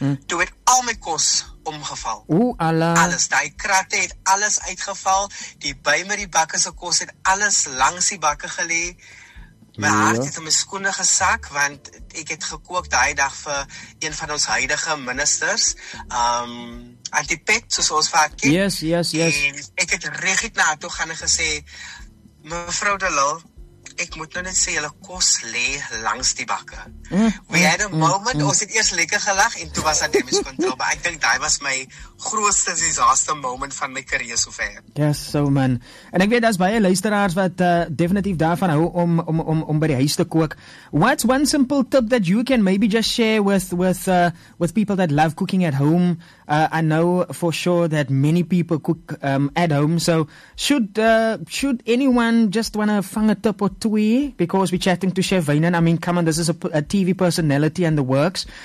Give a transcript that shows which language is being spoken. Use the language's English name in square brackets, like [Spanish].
[Afrikaans] toe het al my kos omgeval. Oeh, Allah. Alles, die kratte het alles uitgeval, die by my die bakke se kos het alles langs die bakke gelee. My hart het in my skoene gesak, want ek het gekook die dag vir een van ons huidige ministers, Antipet, soos ons vaak ken. [English] Yes, yes, yes. [Afrikaans] En ek het regiet na toe gaan en gesê, mevrou de Lille, ek moet nou net sê, julle kos lê langs die bakke. [English] We had a moment, [Afrikaans] ons het eerst lekker gelag, en toe was dat damage control, maar ek dink dat was my grootste disaster moment van my career so ver. [English] Yes, so man. [Afrikaans] En ek weet, daar is baie luisteraars wat definitief daarvan hou om by die huis te kook. [English] What's one simple tip that you can maybe just share with people that love cooking at home? I know for sure that many people cook at home. So should anyone just want to fang a tip or two? Because we're chatting to Chef Vainan. I mean, come on, this is a TV personality and the works.